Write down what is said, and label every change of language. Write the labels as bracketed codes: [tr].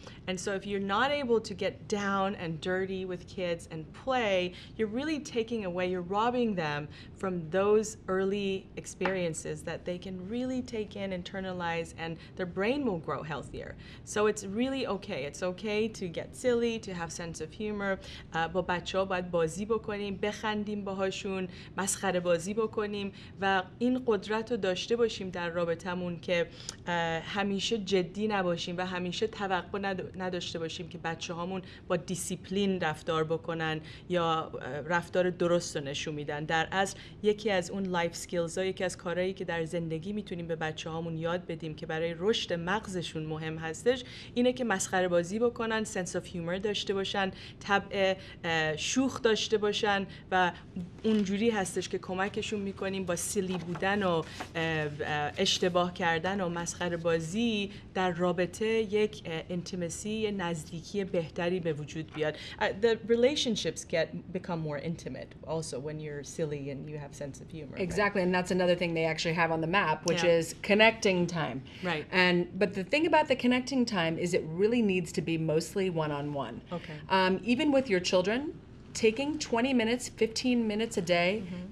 [en] And so if you're not able to get down and dirty with kids and play, you're really taking away, you're robbing them from those early experiences that they can really take in, internalize, and their brain will grow healthier. So it's really okay. It's okay to get silly, to have sense of humor. [fa] با بچه‌ها باید بازی بکنیم، بخندیم باهاشون، مسخره بازی بکنیم و این قدرت رو داشته باشیم در رابطه‌مون که همیشه جدی نباشیم و همیشه توقع نداشته باشیم که بچه‌هامون با دیسیپلین رفتار بکنن یا رفتار درست رو نشون میدن. در اصل یکی از اون لایف سکیلز ها، یکی از کارهایی که در زندگی میتونیم به بچه‌هامون یاد بدیم که برای رشد مغزشون مهم هستش، اینه که مسخره بازی بکنن، سنس آف هیومر داشته باشن، طبع شوخ داشته باشن و اونجوری هستش که کمکشون میکنیم با سیلی بودن و اشتباه کردن و مسخره بازی در رابطه یک انتیمیسی نزدیکی بهتری به وجود بیاد. [en] The relationships become more intimate also when you're silly and you have sense of humor. Exactly, right? And that's another thing they actually have on the map, which is connecting time. Right. But the thing about the connecting time is it really needs to be mostly one-on-one. Okay. Even with your children, taking 20 minutes, 15 minutes a day mm-hmm.